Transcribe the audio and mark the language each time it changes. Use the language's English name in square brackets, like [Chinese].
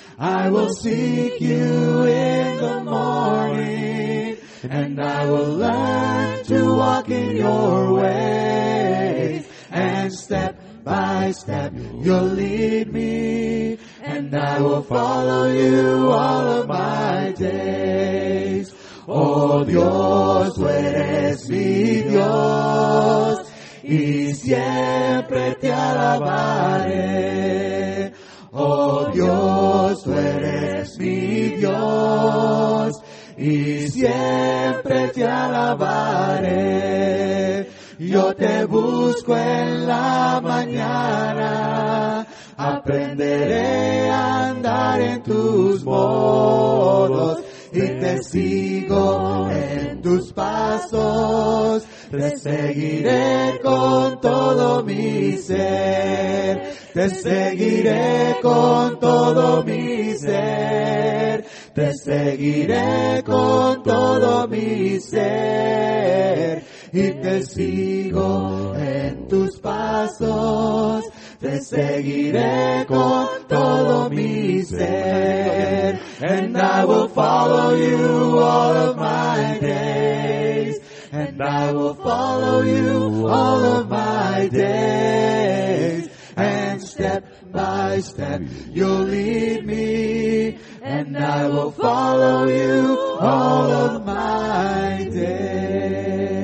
[English] I will seek you in the morning, and I will learn to walk in your ways, and step by step, you'll lead me, and I will follow you all of my days. [Spanish] Oh, Dios, tú eres mi Dios, y siempre te alabaré. Oh, Dios, tú eres mi Dios, y siempre te alabaré. Yo te busco en la mañana, aprenderé a andar en tus modos y te sigo en tus pasos, te seguiré con todo mi ser, te seguiré con todo mi ser, te seguiré con todo mi ser. Y te sigo en tus pasos, te seguiré con todo mi ser. [English] And I will follow you all of my days, and I will follow you all of my days. And step by step you'll lead me, and I will follow you all of my days.